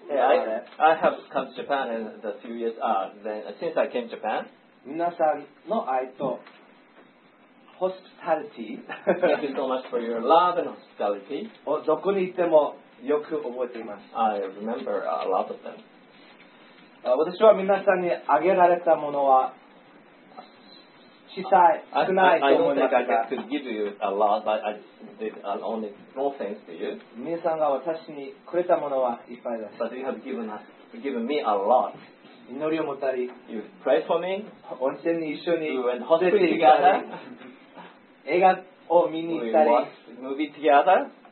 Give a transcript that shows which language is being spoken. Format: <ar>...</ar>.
<en>Yeah, I have come to Japan in the few years since I came to Japan.</en> <ja>皆さんの愛と hospitality。</ja> <en>Thank you so much for your love and hospitality.</en> <ja>をどこに行ってもよく覚えています。</ja> <en>I remember a lot of them.</en> <ja>私は皆さんにあげられたものは小さい、少ないと思います。</ja> <en>I don't think I could give you a lot, but I did only small things to you.</en> <ja>皆さんが私にくれたものはいっぱいです。</ja> <en>But you have given me a lot.</en> <ja>祈りを持ったり。</ja> <en>You prayed for me.</en> <ja>温泉に一緒に。</ja> <en>You went hospitality together.</en> <ja>映画を見に行ったり。</ja> <en>We watched movie together.</en>